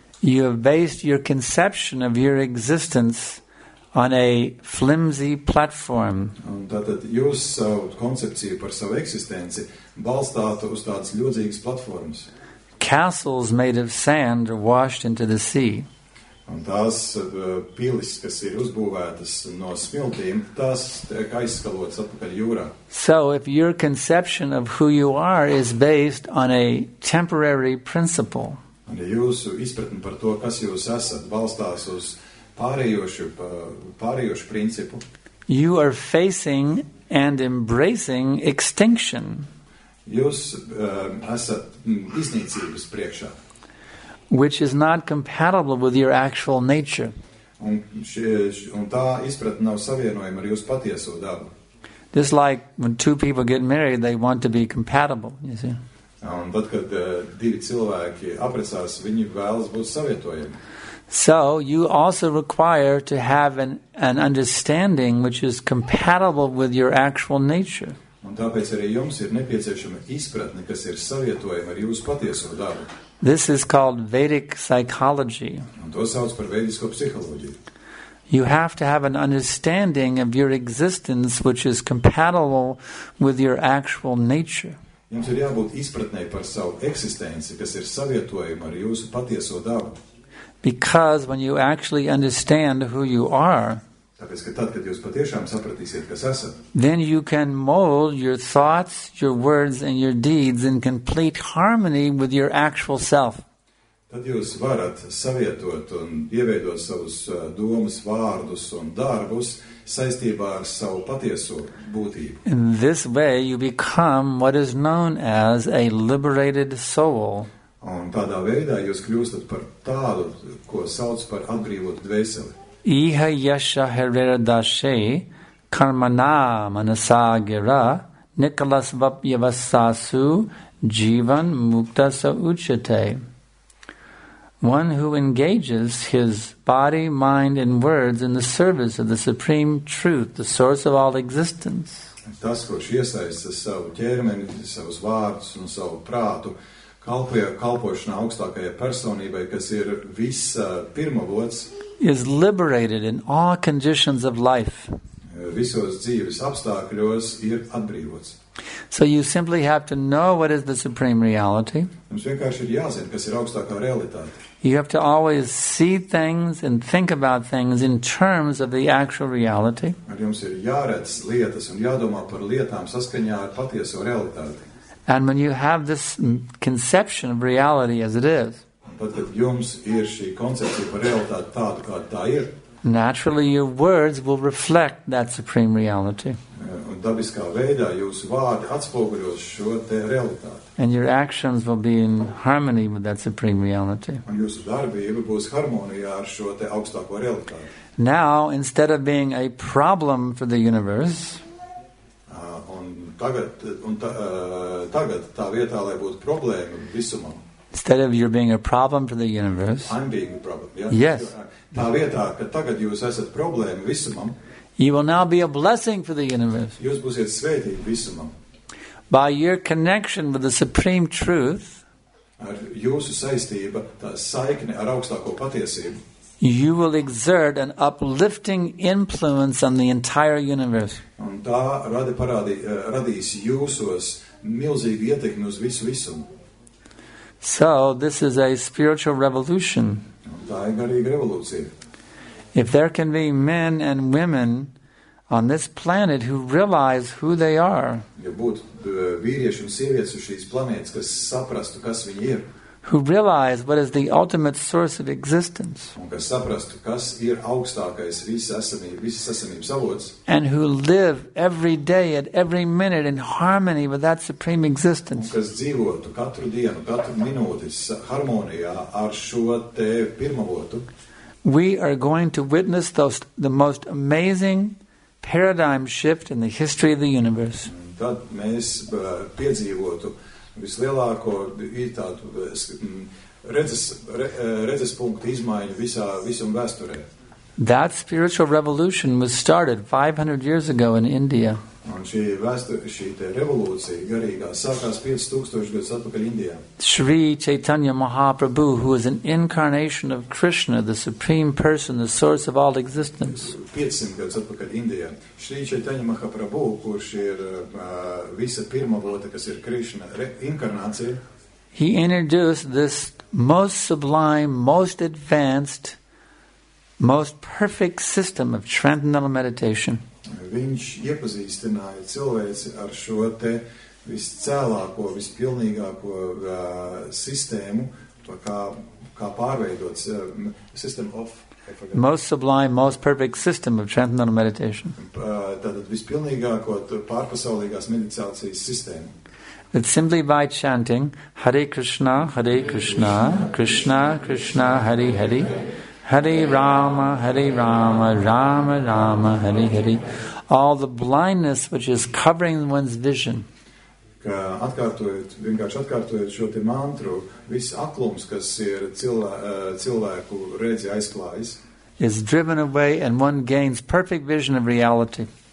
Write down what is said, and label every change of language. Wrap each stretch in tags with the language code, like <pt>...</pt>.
<en>You have based your conception of your existence on a flimsy platform.</en> <lv>Un tātad jūs savu koncepciju par savu eksistenci balstāt uz tādas ļūdzīgas platformas.</lv> <en>Castles made of sand are washed into the sea.</en> <lv>Un tās pilis, kas ir uzbūvētas no smiltīm, tās tiek aizskalotas atpakaļ jūrā.</lv> <en>So if your conception of who you are is based on a temporary principle,</en> <lv>un ja jūsu izpratni par to, kas jūs esat, balstās uz pārējošu principu,</lv> <en>you are facing and embracing extinction.</en> <lv>Jūs esat iznīcības priekšā.</lv> <en>Which is not compatible with your actual nature.</en> <lv>Un tā izpratne nav savienojama ar jūsu patieso dabu.</lv> <en>Just like when two people get married, they want to be compatible, you see.</en> <lv>Un tad, kad divi cilvēki aprecās, viņi vēlas būt savietojami.</lv> <en>So you also require to have an understanding which is compatible with your actual nature.</en> <lv>Un tāpēc arī jums ir nepieciešama izpratne, kas ir savietojama ar jūsu patieso dabu.</lv> <en>This is called Vedic psychology.</en> <lv>Un to sauc par vēdisko psiholoģiju.</lv> <en>You have to have an understanding of your existence which is compatible with your actual nature.</en> <lv>Jums ir jābūt izpratnē par savu eksistenci, kas ir savietojama ar jūsu patieso dabu.</lv> <en>Because when you actually understand who you are,</en> <lv>tāpēc, ka tad, kad jūs patiešām sapratīsiet, kas esat,</lv> <en>then you can mold your thoughts, your words and your deeds in complete harmony with your actual self.</en> <lv>Tad jūs varat savietot un ieveidot savus domas, vārdus un darbus saistībā ar savu patieso būtību.</lv> <en>In this way you become what is known as a liberated soul.</en> <lv>Un tādā veidā jūs kļūstat par tādu, ko sauc par atbrīvotu dvēseli.</lv> <sa>Iha yasha herera dashe karmana manasa gira nikalasvapyavasasu jivan mukta sa uchate.</sa> <en>One who engages his body, mind, and words in the service of the Supreme Truth, the source of all existence.</en> <lv>Tas, kurš iesaistas savu ķermeni, savus vārdus un savu prātu, kalpošanā augstākajai personībai, kas ir viss pirmavots,</lv> <en>is liberated in all conditions of life.</en> <lv>Visos dzīves apstākļos ir atbrīvots.</lv> <en>So you simply have to know what is the supreme reality.</en> <lv>Jums vienkārši ir jāzina, kas ir augstākā realitāte.</lv> <en>You have to always see things and think about things in terms of the actual reality.</en> <lv>Jums ir jāredz lietas un jādomā par lietām saskaņā ar patieso realitāti.</lv> <en>And when you have this conception of reality as it is,</en> <lv>tad, kad jums ir šī koncepcija par realitāti tādu, kā tā ir,</lv> <en>naturally your words will reflect that supreme reality.</en> <lv>Un dabiskā veidā jūsu vārdi atspoguļos šo te realitāti.</lv> <en>And your actions will be in harmony with that supreme reality.</en> <lv>Un jūsu darbība būs harmonijā ar šo te augstāko realitāti.</lv> <en>Now, instead of being a problem for the universe,</en> <lv>tagad tā vietā, lai būtu problēma visumam,</lv> <en>instead of your being a problem for the universe, I'm being a problem, yeah? Yes.</en> <lv>Tā vietā, ka tagad jūs esat problēma visumam,</lv> <en>you will now be a blessing for the universe.</en> <lv>Jūs būsiet svētīgi visumam.</lv> <en>By your connection with the supreme truth,</en> <lv>ar jūsu saistība, tā saikne ar augstāko patiesību,</lv> <en>you will exert an uplifting influence on the entire universe.</en> <lv>Un tā radīs jūsos milzīgu ietekmi uz visu visumu.</lv> <en>So, this is a spiritual revolution.</en> <lv>Tā ir garīga revolūcija.</lv> <en>If there can be men and women on this planet who realize who they are,</en> <lv>ja būtu vīrieši un sievietes uz šīs planētas, kas saprastu, kas viņi ir,</lv> <en>who realize what is the ultimate source of existence,</en> <lv>un kas saprastu, kas ir augstākais visas esamības avots,</lv> <en>and who live every day and every minute in harmony with that supreme existence,</en> <lv>un kas dzīvotu katru dienu, katru minūti harmonijā ar šo te pirmavotu,</lv> <en>we are going to witness the most amazing paradigm shift in the history of the universe.</en> <lv>Tad mēs piedzīvotu vislielāko tādu redzes punktu izmaiņu visam vēsturē.</lv> <en>That spiritual revolution was started 500 years ago in India.</en> <lv>Un šī te revolūcija garīgā sākās 5000 gadus atpakaļ Indijā.</lv> <en>Shri Chaitanya Mahaprabhu, who is an incarnation of Krishna, the supreme person, the source of all existence.</en> <lv>500 gadus atpakaļ Indijā. Shri Chaitanya Mahaprabhu, kurš ir visa pirma vota, kas ir Krishna inkarnācija.</lv> <en>He introduced this most sublime, most advanced, most perfect system of transcendental meditation.</en> <lv>Viņš iepazīstināja cilvēci ar šo te viscēlāko, vispilnīgāko sistēmu, kā pārveidot</lv> <en>system of, most sublime, most perfect system of transcendental meditation.</en> <lv>Tātad vispilnīgāko pārpasaulīgās meditācijas sistēmu.</lv> <en>But simply by chanting Hare Krishna, Krishna, Krishna, Hare Hare, Hare Rama, Hare Rama, Rama Rama, Hare Hare, all the blindness which is covering one's vision.</en> <lv>Ka atkārtojot šo te mantru, viss aklums, kas ir cilvēku redzi aizklājis,</lv> <en>is driven away and one gains perfect vision of reality.</en>